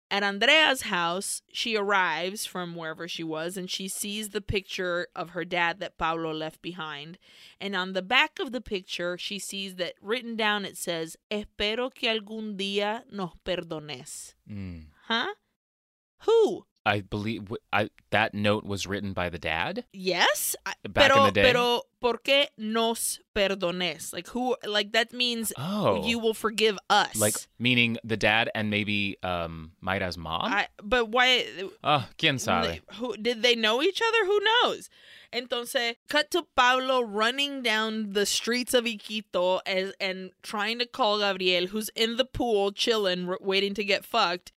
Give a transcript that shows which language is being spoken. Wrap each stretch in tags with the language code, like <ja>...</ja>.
<en>At Andrea's house, she arrives from wherever she was, and she sees the picture of her dad that Pablo left behind. And on the back of the picture, she sees that written down, it says, espero que algún día nos perdones. Mm. Huh? Who? I believe that note was written by the dad? Yes. Back in the day.</en> <es>Pero, ¿por qué nos perdones?</es> <en>Like, who? Like, that means you will forgive us. Like, meaning the dad and maybe Mayra's mom? But why?</en> <es>¿Quién sabe?</es> <en>Who, did they know each other? Who knows? Entonces, cut to Pablo running down the streets of Iquitos and trying to call Gabriel, who's in the pool chilling, waiting to get fucked.</en>